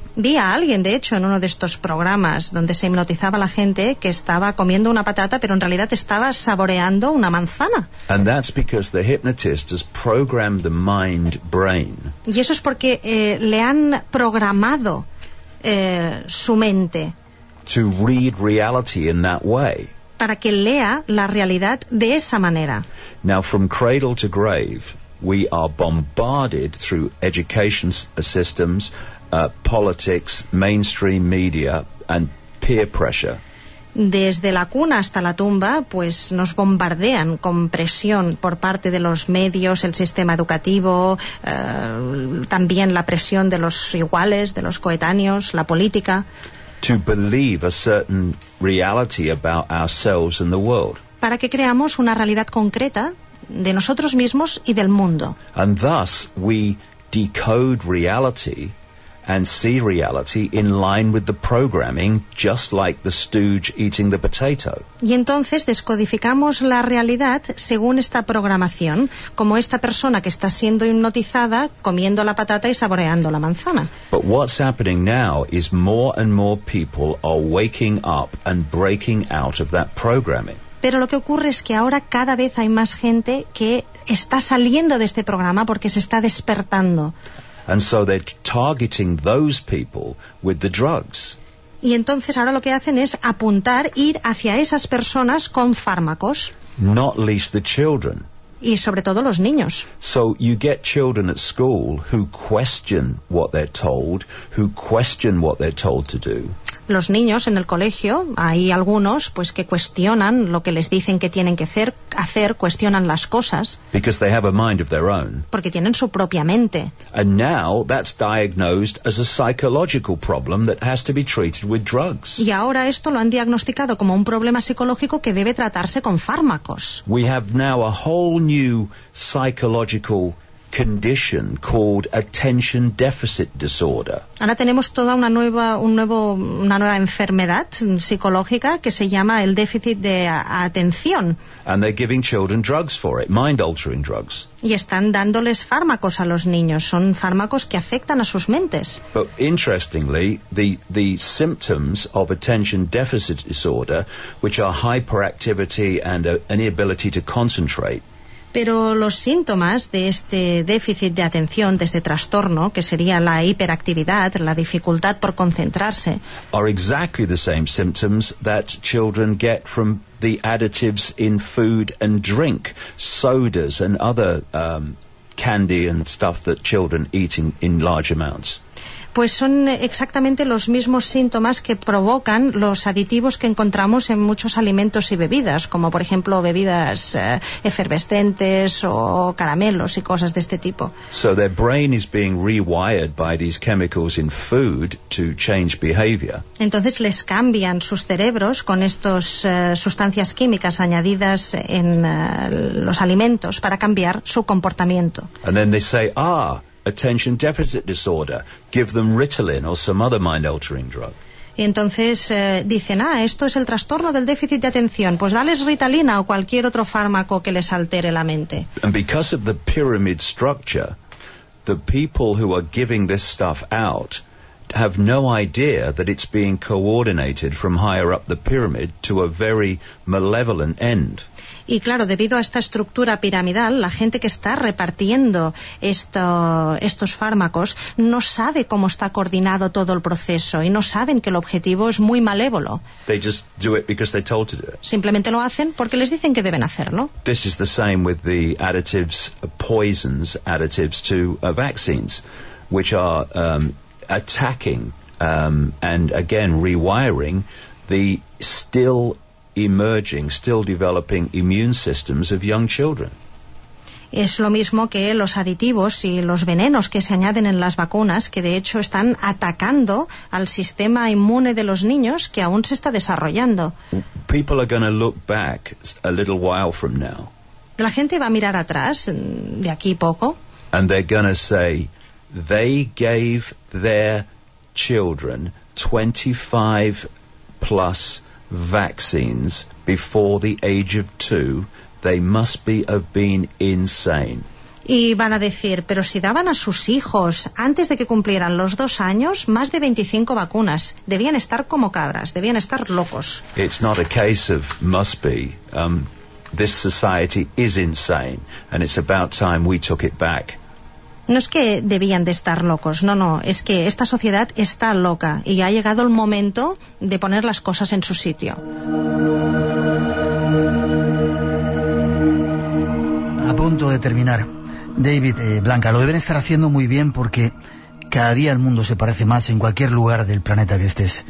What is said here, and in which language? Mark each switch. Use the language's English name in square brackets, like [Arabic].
[Spanish] Vi a alguien, de hecho, en uno de estos programas donde se hipnotizaba a la gente que estaba comiendo una patata, pero en realidad estaba saboreando una manzana. [English] And that's because the hypnotist has programmed the mind brain. [Spanish] Y eso es porque le han programado su mente. [English] To read reality in that way. [Spanish] Para que lea la realidad de esa manera. [English] Now, from cradle to grave, we are bombarded through education systems, politics, mainstream media, and peer pressure. [Spanish] Desde la cuna hasta la tumba, pues nos bombardean con presión por parte de los medios, el sistema educativo, también la presión de los iguales, de los coetáneos, la política. [English] To believe a certain reality about ourselves and the world. [Spanish] Para que creamos una realidad concreta de nosotros mismos y del mundo. [English] And thus we decode reality and see reality in line with the programming, just like the stooge eating the potato. [Spanish] Y entonces descodificamos la realidad según esta programación, como esta persona que está siendo hipnotizada comiendo la patata y saboreando la manzana. [English] But what's happening now is more and more people are waking up and breaking out of that programming. [Spanish] Pero lo que ocurre es que ahora cada vez hay más gente que está saliendo de este programa porque se está despertando. [English] And so they're targeting those people with the drugs. [Spanish] Y entonces ahora lo que hacen es apuntar, ir hacia esas personas con fármacos. [English] Not least the children. [Spanish] Y sobre todo los niños. [English] So you get children at school who question what they're told, who question what they're told to do. [Spanish] Los niños en el colegio, hay algunos pues que cuestionan lo que les dicen que tienen que hacer, cuestionan las cosas. [English] Because they have a mind of their own. [Spanish] Porque tienen su propia mente. [English] And now that's diagnosed as a psychological problem that has to be treated with drugs. [Spanish] Y ahora esto lo han diagnosticado como un problema psicológico que debe tratarse con fármacos. [English] We have now a whole new psychological condition called attention deficit disorder. [Spanish] Ahora tenemos toda una nueva enfermedad psicológica que se llama el déficit de atención. [English] And they're giving children drugs for it, mind altering drugs. [Spanish] Y están dándoles fármacos a los niños, son fármacos que afectan a sus mentes. [English] But interestingly, the symptoms of attention deficit disorder, which are hyperactivity and an inability to concentrate. [Spanish] Pero los síntomas de este déficit de atención, de este trastorno, que sería la hiperactividad, la dificultad por concentrarse, [English] are exactly the same symptoms that children get from the additives in food and drink, sodas and other candy and stuff that children eat in large amounts. [Spanish] Pues son exactamente los mismos síntomas que provocan los aditivos que encontramos en muchos alimentos y bebidas, como por ejemplo bebidas efervescentes o caramelos y cosas de este tipo. [English] So their brain is being rewired by these chemicals in food to change behavior. [Spanish] Entonces les cambian sus cerebros con estas sustancias químicas añadidas en los alimentos para cambiar su comportamiento. [English] And then they say, ah, attention deficit disorder, give them Ritalin or some other mind-altering drug. [Spanish] Y entonces dicen, ah, esto es el trastorno del déficit de atención, pues dales Ritalina o cualquier otro fármaco que les altere la mente. [English] And because of the pyramid structure, the people who are giving this stuff out have no idea that it's being coordinated from higher up the pyramid to a very malevolent end. [Spanish] Y claro, debido a esta estructura piramidal, la gente que está repartiendo estos fármacos no sabe cómo está coordinado todo el proceso y no saben que el objetivo es muy malévolo. [English] They just do it because they're told to do it. [Spanish] Simplemente lo hacen porque les dicen que deben hacerlo. [English] This is the same with the additives, poisons, additives to vaccines, which are attacking and again rewiring the still emerging, still developing immune systems of young children. [Spanish] Es lo mismo que los aditivos y los venenos que se añaden en las vacunas, que de hecho están atacando al sistema inmune de los niños que aún se está desarrollando. [English] People are going to look back a little while from now. [Spanish] La gente va a mirar atrás de aquí poco. [English] And they're going to say, they gave their children 25 plus vaccines before the age of 2, they must be have been insane. [Spanish] Y van a decir, pero si daban a sus hijos antes de que cumplieran los 2 años más de 25 vacunas, debían estar como cabras, debían estar locos. [English] It's not a case of must be. This society is insane and it's about time we took it back. [Spanish] No es que debían de estar locos, no, no, es que esta sociedad está loca y ha llegado el momento de poner las cosas en su sitio. A punto de terminar, David, Blanca, lo deben estar haciendo muy bien porque cada día el mundo se parece más en cualquier lugar del planeta que estés.